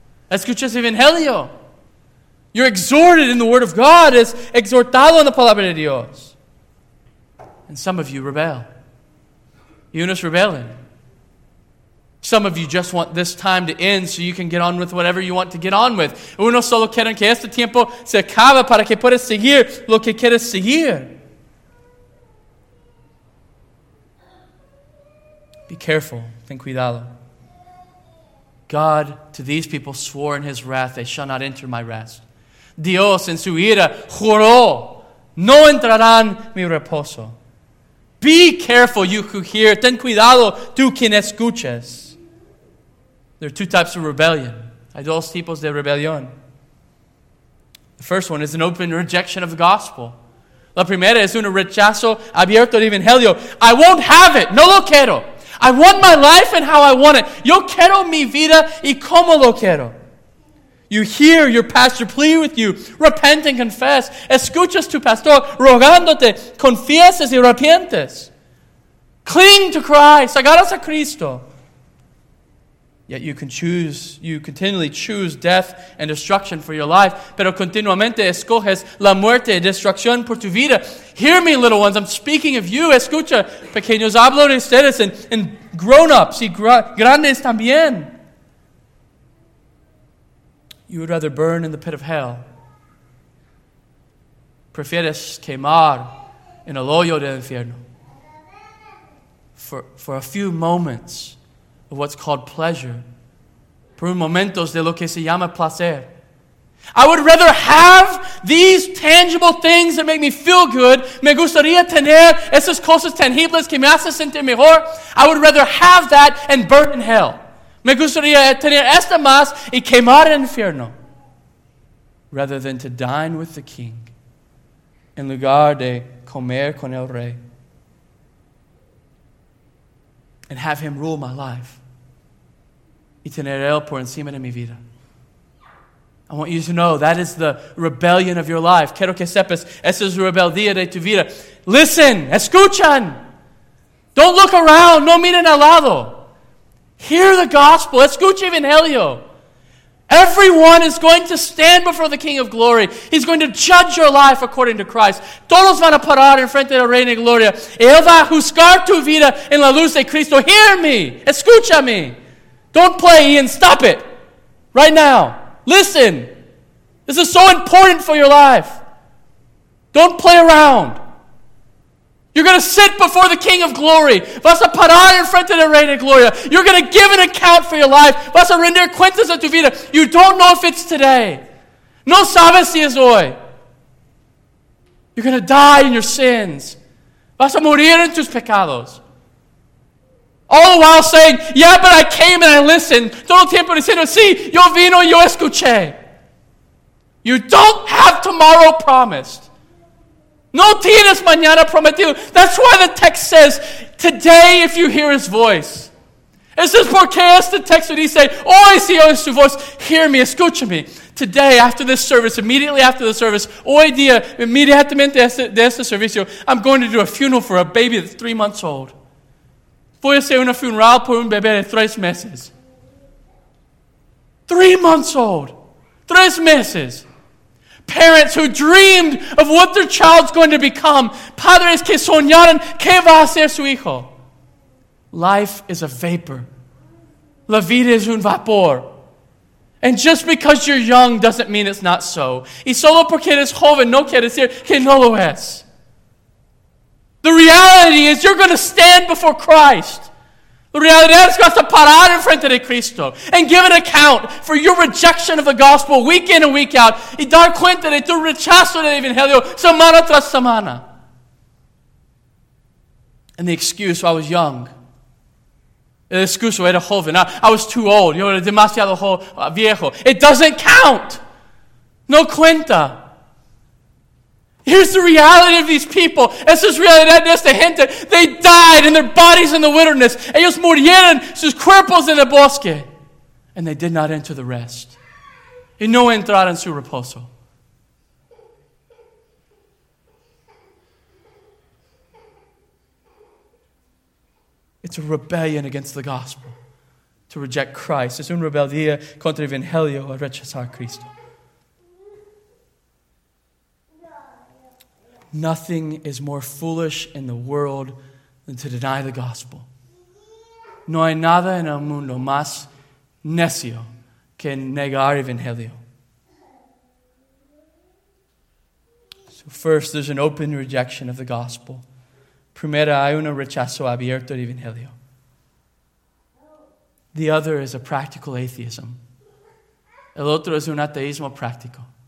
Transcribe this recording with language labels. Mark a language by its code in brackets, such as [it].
[es] Escuchas el evangelio. [en] You're exhorted in the word of God. [es] Es exhortado en la palabra de Dios. [en] And some of you rebel. [es] Y unos rebelen. [en] Some of you just want this time to end so you can get on with whatever you want to get on with. [es] Uno solo quieren que este tiempo se acabe para que puedas seguir lo que quieres seguir. [en] Be careful. [es] Ten cuidado. [en] God, to these people, swore in his wrath, they shall not enter my rest. [es] Dios, en su ira, juró, no entrarán mi reposo. [en] Be careful, you who hear. [es] Ten cuidado, tú quien escuchas. [en] There are two types of rebellion. [es] Hay dos tipos de rebelión. [en] The first one is an open rejection of the gospel. [es] La primera es un rechazo abierto de evangelio. [en] I won't have it. [es] No lo quiero. [en] I want my life and how I want it. [es] Yo quiero mi vida y como lo quiero. [en] You hear your pastor plead with you. Repent and confess. [es] Escuchas tu pastor rogándote. Confiesas y arrepientes. [en] Cling to Christ. [es] Agarras a Cristo. [en] Yet you continually choose death and destruction for your life, [es] pero continuamente escoges la muerte y destrucción por tu vida. [en] Hear me, little ones, I'm speaking of you. [es] Escucha, pequeños, hablo de ustedes, [en] and grown-ups, [es] y grandes también. [en] You would rather burn in the pit of hell. [es] Prefieres quemar en el hoyo del infierno. [en] For a few moments of what's called pleasure. [es] Por momentos de lo que se llama placer. [en] I would rather have these tangible things that make me feel good. [es] Me gustaría tener esas cosas tangibles que me hacen sentir mejor. [en] I would rather have that and burn in hell. [es] Me gustaría tener esta más y quemar en infierno. [en] Rather than to dine with the king. [es] En lugar de comer con el rey. And have him rule my life. Y tener él por encima de mi vida. [en] I want you to know that is the rebellion of your life. [es] Quiero que sepas, esa es la rebeldía de tu vida. [en] Listen, [es] escuchan. [en] Don't look around, [es] no miren al lado. [en] Hear the gospel, [es] escucha el evangelio. [en] Everyone is going to stand before the King of Glory. He's going to judge your life according to Christ. [es] Todos van a parar en frente del Rey de Gloria. Él va a juzgar tu vida en la luz de Cristo. [en] Hear me. [es] Escúchame. [en] Don't play, Ian. Stop it. Right now. Listen. This is so important for your life. Don't play around. You're going to sit before the King of Glory. [es] Vas a parar en frente del Rey de Gloria. [en] You're going to give an account for your life. [es] Vas a render cuentas de tu vida. [en] You don't know if it's today. [es] No sabes si es hoy. [en] You're going to die in your sins. [es] Vas a morir en tus pecados. [en] All the while saying, yeah, but I came and I listened. [es] Todo el tiempo diciendo, sí, yo vino y yo escuché. [en] You don't have tomorrow promised. [es] No tienes mañana prometido. [en] That's why the text says, today if you hear his voice. [es] Es es porque este texto dice, hoy si oyes su voz, [en] hear me, [es] escúchame. [en] Today, after this service, immediately after the service, [es] hoy día, inmediatamente de este servicio, [en] I'm going to do a funeral for a baby that's 3 months old. [es] Voy a hacer una funeral por un bebé de 3 meses. [en] 3 months old. [es] 3 meses. [en] Parents who dreamed of what their child's going to become. [es] Padres que soñaron que va a ser su hijo. [en] Life is a vapor. [es] La vida es un vapor. [en] And just because you're young doesn't mean it's not so. [es] Y solo porque eres joven no quiere decir que no lo es. [en] The reality is you're going to stand before Christ. [es] La realidad es que vas a parar en frente de Cristo [en] and give an account for your rejection of the gospel week in and week out [es] y dar cuenta de tu rechazo del evangelio semana tras semana. [en] And the excuse, I was young. [es] El excuso, era joven. [en] I was too old. [es] Yo era demasiado viejo. [en] It doesn't count. [es] No cuenta. [en] Here's the reality of these people. [es] Esa es realidad de esta gente. [en] They died and their bodies in the wilderness. [es] Ellos murieron sus cuerpos en el bosque. [en] And they did not enter the rest. [es] Y no entraron su reposo. [en] It's a rebellion against the gospel to reject Christ. [es] Es una rebeldía contra el evangelio a rechazar a Cristo. [en] Nothing is more foolish in the world than to deny the gospel. [es] No hay nada en el mundo más necio que negar el evangelio. [en] So first, there's an open rejection of the gospel. [es] Primera, hay un rechazo abierto del evangelio. [en] The other is a practical atheism. [es] El otro es un ateísmo práctico.